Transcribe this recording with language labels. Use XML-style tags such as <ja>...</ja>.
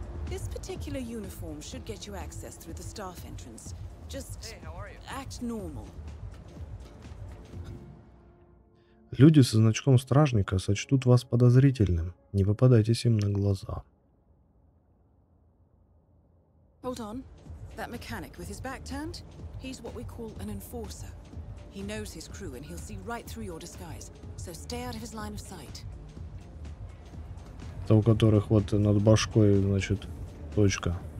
<en>This particular uniform should get you access through the staff entrance. Just act normal.</en> <ru>Люди со значком стражника сочтут вас подозрительным. Не попадайтесь им на глаза.</ru> <en>Hold on. That mechanic with his back turned? He's what we call an enforcer. He knows his crew and he'll see right through your disguise. So stay out of his line of sight.</en> <ru>Это у которых вот над башкой, значит, точка.</ru>